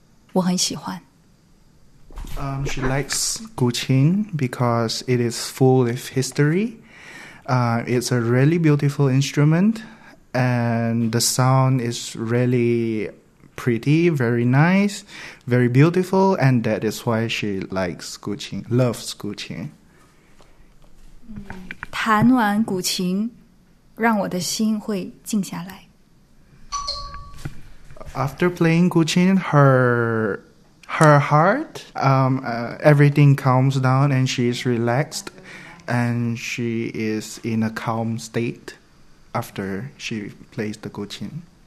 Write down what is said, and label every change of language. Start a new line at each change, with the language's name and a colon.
English: She likes Guqing because it is full of history. It's a really beautiful instrument, and the sound is really pretty, very nice, very beautiful, and that is why she likes Guqing, loves Guqing.
Chinese: 弹完古琴, 让我的心会静下来。
English: After playing Guqin, her heart, everything calms down and she is relaxed and she is in a calm state after she plays the Guqin.